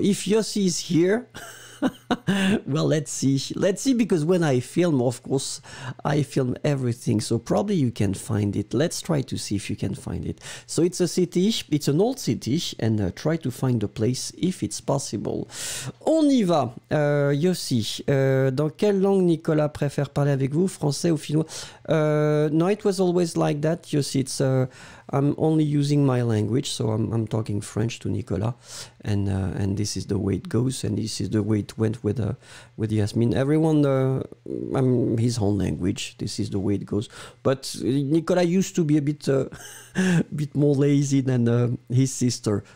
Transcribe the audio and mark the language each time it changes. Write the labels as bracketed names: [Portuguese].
[English] If Yossi is here... Well, let's see, because when I film, of course, I film everything, so probably you can find it. Let's try to see if you can find it. So it's a city, it's an old city, and try to find a place if it's possible. [French] On y va. Yossi, dans quelle langue Nicolas préfère parler avec vous, français ou finnois? [English] No, it was always like that, Yossi. It's I'm only using my language, so I'm talking French to Nicolas, and this is the way it goes, and this is the way it went with Yasmin. Everyone, his own language. This is the way it goes. But Nicolas used to be a bit, bit more lazy than his sister.